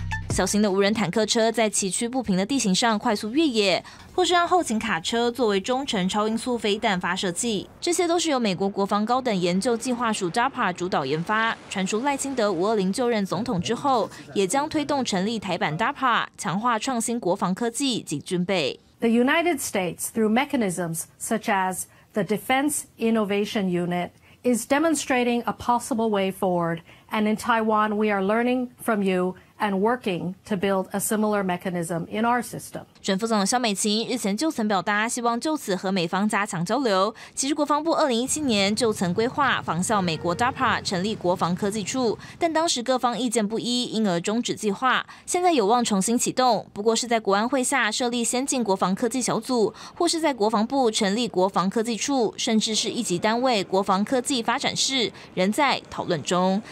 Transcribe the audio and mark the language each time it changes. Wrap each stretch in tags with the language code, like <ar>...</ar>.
<zh>小型的无人坦克车在崎岖不平的地形上快速越野，或是让后勤卡车作为中程超音速飞弹发射器，这些都是由美国国防高等研究计划署 DARPA 主导研发。传出赖清德520就任总统之后，也将推动成立台版 DARPA， 强化创新国防科技及军备。</zh> <en>The United States, through mechanisms such as the Defense Innovation Unit, is demonstrating a possible way forward, and in Taiwan, we are learning from you. And working to build a similar mechanism in our system.</en> <zh>准副总统萧美琴日前就曾表达，希望就此和美方加强交流。其实国防部2017年就曾规划仿效美国 DARPA 成立国防科技处，但当时各方意见不一，因而终止计划。现在有望重新启动，不过是在国安会下设立先进国防科技小组，或是在国防部成立国防科技处，甚至是一级单位国防科技发展室，仍在讨论中。</zh>